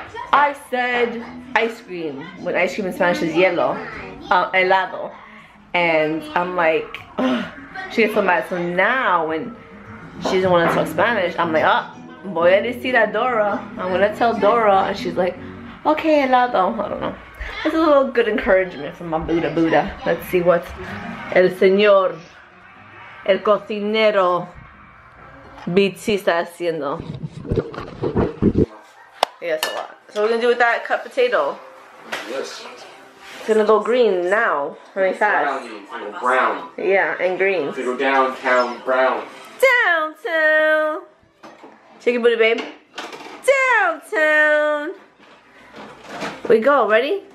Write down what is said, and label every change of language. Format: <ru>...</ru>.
<en>I said ice cream when ice cream in Spanish is yellow. Helado. And I'm like, ugh. She gets so mad. So now when she doesn't want to talk Spanish, I'm like, oh,</en> <es>voy a decir a Dora.</es> <en>I'm going to tell Dora. And she's like, okay, helado. I don't know. This is a little good encouragement from my Buddha Buddha. Let's see what</en> <es>el señor, el cocinero, BT está haciendo.</es> <en>Yes, a lot. So we're going to do with that cut potato. Yes. It's going to go green now, really fast. Brown. Yeah, and green. It's going to go downtown brown. Downtown. Chicken booty, babe. Downtown. We go, ready?</en>